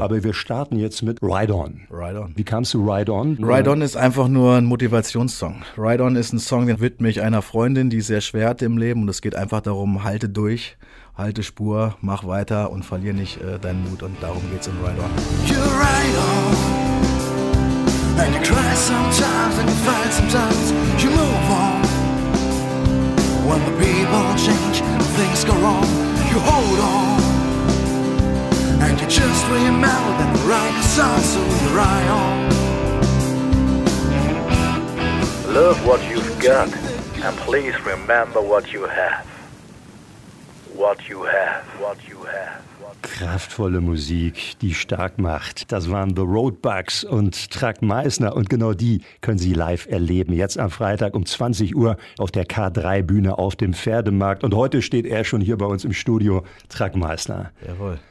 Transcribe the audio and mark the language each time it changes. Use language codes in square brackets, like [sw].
[de] Aber wir starten jetzt mit Ride On. Ride On. Wie kamst du Ride On? Ride On ist einfach nur ein Motivationssong. Ride On ist ein Song, den widme ich einer Freundin, die sehr schwer hat im Leben. Und es geht einfach darum, halte durch, halte Spur, mach weiter und verliere nicht deinen Mut. Und darum geht's in Ride On. [en] You ride on. And you cry sometimes and you fight sometimes. You move on. When the people change and things go wrong, you hold on. And you just remember that you write a song, so you ride on. Love what you've got, and please remember what you have. What you have, what you have. [de] Kraftvolle Musik, die stark macht. Das waren The Roadbugs und Truck Meissner. Und genau die können Sie live erleben. Jetzt am Freitag um 20 Uhr auf der K3-Bühne auf dem Pferdemarkt. Und heute steht er schon hier bei uns im Studio, Truck Meissner. Jawohl.